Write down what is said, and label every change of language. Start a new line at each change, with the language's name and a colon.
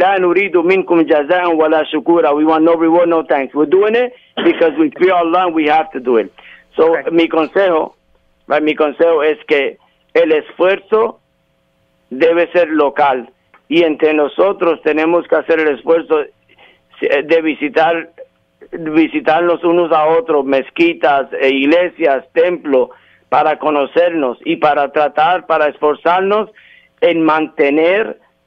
Arabic: لا نريد منكم جزاء ولا شكورا.
English: We want no reward, no thanks. We're doing it because we fear Allah and we have to do it. So correct.
Spanish: Mi consejo es que el esfuerzo debe ser local. Y entre nosotros tenemos que hacer el esfuerzo de visitarnos unos a otros, mezquitas, iglesias, templos, para conocernos y para tratar, para esforzarnos en mantener